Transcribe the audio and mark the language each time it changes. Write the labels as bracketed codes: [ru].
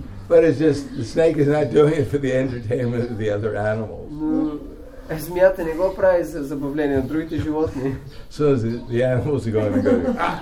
[en] But it's just the snake is not doing it for the entertainment of the other animals. [bg] Змията не го прави за забавление на другите животни. [en] So the animals are going to go.